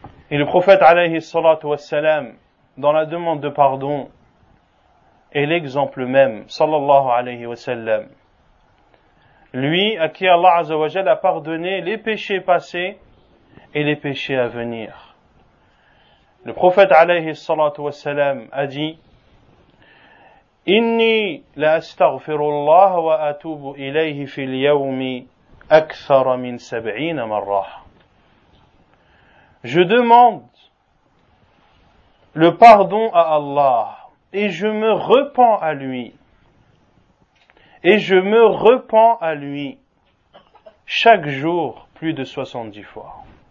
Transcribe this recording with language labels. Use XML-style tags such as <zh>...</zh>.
<fr>Et le prophète alayhi salatu wa salam, dans la demande de pardon, est l'exemple même, sallallahu alayhi wa sallam. Lui à qui Allah Azza wa Jal a pardonné les péchés passés et les péchés à venir. Le prophète alayhi salatu wa salam a dit,</fr> <ar>إني لأستغفر الله وأتوب إليه في اليوم أكثر من سبعين مرة.</ar> <fr>Je demande le pardon à Allah et je me repens à lui. Et je me repens à lui chaque jour plus de 70 fois.</fr>